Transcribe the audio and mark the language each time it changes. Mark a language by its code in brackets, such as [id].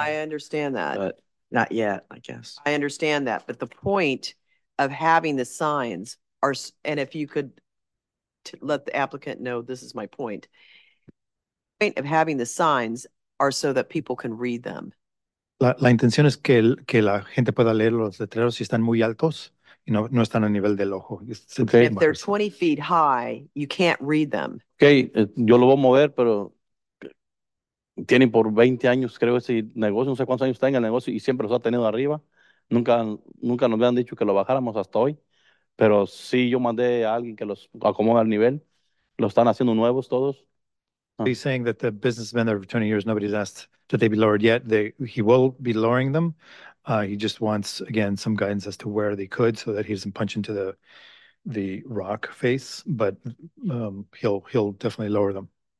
[en] I understand that, but not yet, I guess. I understand that, but the point of having the signs are, and if you could let the applicant know, this is my point. The point of having the signs are so that people can read them. [es] La intención es que la gente pueda leer los letreros si están muy altos y no están a nivel del ojo. [en] Okay. If they're 20 feet high, you can't read them. [es] Okay, yo lo voy a mover, pero tienen por 20 años, creo, ese negocio. No sé cuántos años está en el negocio y siempre los ha tenido arriba. Nunca nos habían dicho que lo bajáramos hasta hoy. Pero sí, yo mandé a alguien que los acomode al nivel. Lo están haciendo nuevos todos. [en] He's saying that the businessmen there for 20 years, nobody's asked that they be lowered yet. He will be lowering them. He just wants, again, some guidance as to where they could so that he doesn't punch into the rock face. But he'll definitely lower them.